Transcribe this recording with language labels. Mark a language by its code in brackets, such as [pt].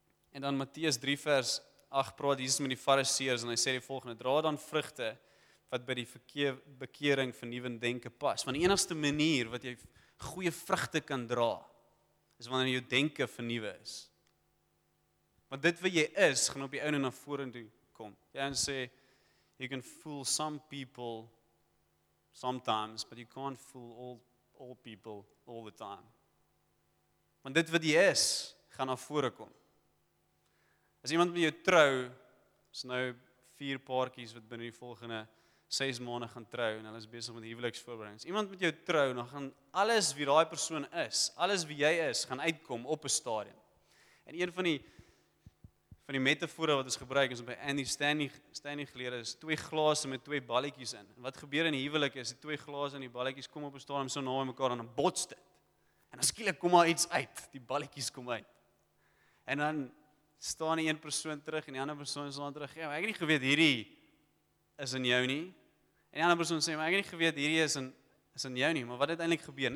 [af] En dan Matteus 3 vers 8 praat Jesus met die Fariseërs en hy sê die volgende, dra dan vrugte wat by die bekering vernuwend denke pas. Want die enigste manier wat jy goeie vrugte kan dra, is wanneer jou denke vernuwe is. Want dit wat jy is, gaan op die oude na vore toe kom. Jy en sê, [en] you can fool some people sometimes, but you can't fool all people all the time. [af] Want dit wat jy is, gaan na vore kom. As iemand met jou trou, is nou 4 paartjies wat binnen die volgende 6 maande gaan trou, en hulle is besig met huweliksvoorbereidings. Iemand met jou trou, dan gaan alles wie daai persoon is, alles wie jy is, gaan uitkom op 'n stadium. En een van die metafore wat ons gebruik, is by Andy Stanley geleer, is 2 glase met 2 balletjies in. En wat gebeur in die huwelik is, die 2 glase en die balletjies kom op 'n stadium so na mekaar, en dan botst dit. En dan skielik kom al iets uit, die balletjies kom uit. En dan staan die een persoon terug, en die ander persoon staan terug, ja, maar ek het nie geweet, hierdie is in jou nie. En die ander persoon sê, maar ek het nie geweet, hierdie is in jou nie. Maar wat het eintlik gebeur?